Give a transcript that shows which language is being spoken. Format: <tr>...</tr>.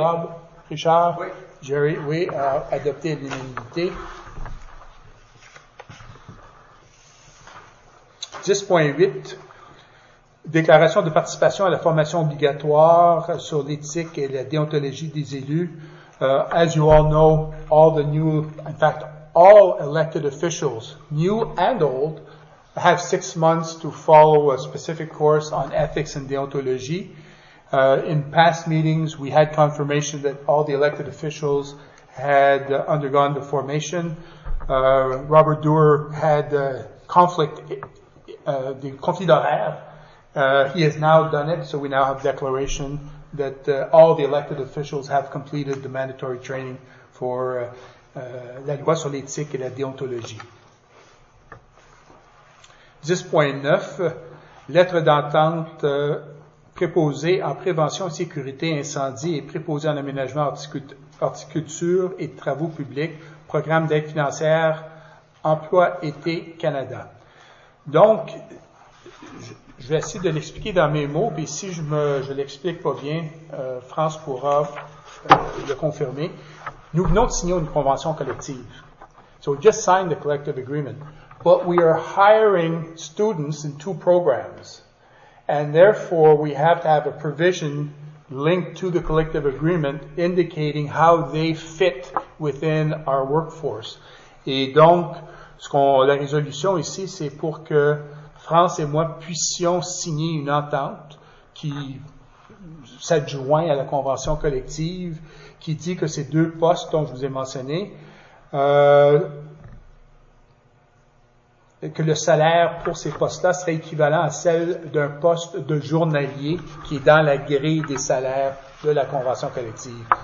<fr>Rob, Richard, oui. Jerry, oui, a adopté l'unanimité. 10.8, déclaration de participation à la formation obligatoire sur l'éthique et la déontologie des élus.</fr> <en>As you all know, all the new, in fact, all elected officials, new and old, have 6 months to follow a specific course on ethics and deontology. In past meetings, we had confirmation that all the elected officials had undergone the formation. Robert Duer had conflict d'horaire. He has now done it, so we now have declaration that all the elected officials have completed the mandatory training for</en> <fr>la loi sur l'éthique et la déontologie. 10.9, lettre d'entente préposée en prévention, sécurité, incendie et préposée en aménagement, horticulture et travaux publics, programme d'aide financière, emploi été Canada. Donc, je vais essayer de l'expliquer dans mes mots, puis si je l'explique pas bien, France pourra le confirmer. Nous venons de signer une convention collective.</fr> <en>So we just signed the collective agreement. But we are hiring students in two programs. And therefore, we have to have a provision linked to the collective agreement indicating how they fit within our workforce.</en> <fr>Et donc, la résolution ici, c'est pour que France et moi puissions signer une entente qui s'adjoint à la convention collective, qui dit que ces deux postes dont je vous ai mentionné, que le salaire pour ces postes-là serait équivalent à celle d'un poste de journalier qui est dans la grille des salaires de la convention collective.</fr>